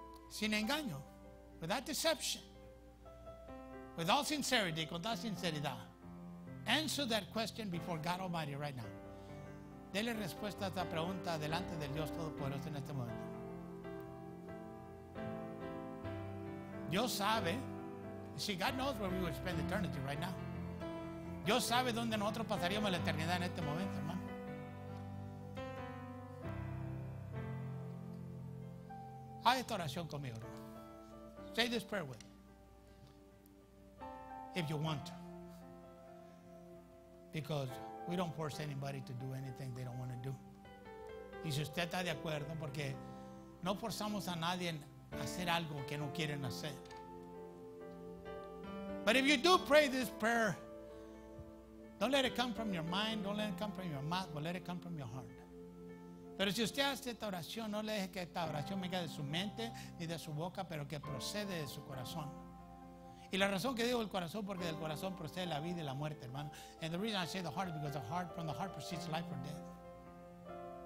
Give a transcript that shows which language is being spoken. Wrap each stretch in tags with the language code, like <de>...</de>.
<es>Sin engaño,</es> <en>without deception, with all sincerity,</en> <es>con toda sinceridad,</es> <en>answer that question before God Almighty right now.</en> <es>Dele respuesta a esta pregunta delante del Dios Todopoderoso en este momento. Dios sabe,</es> <en>see, God knows where we would spend eternity right now.</en> <es>Dios sabe dónde nosotros pasaríamos la eternidad en este momento, hermano. Haz esta oración conmigo, hermano.</es> <en>Say this prayer with me. If you want to. Because we don't force anybody to do anything they don't want to do.</en> <es>Y si usted está de acuerdo, porque no forzamos a nadie a hacer algo que no quieren hacer.</es> <en>But if you do pray this prayer, don't let it come from your mind, don't let it come from your mouth, but let it come from your heart.</en> <es>Pero si usted hace esta oración, no le deje que esta oración venga de su mente ni de su boca, pero que procede de su corazón. Y la razón que digo el corazón, porque del corazón procede la vida y la muerte, hermano.</es> <en>And the reason I say the heart is because the heart, from the heart proceeds life or death.</en>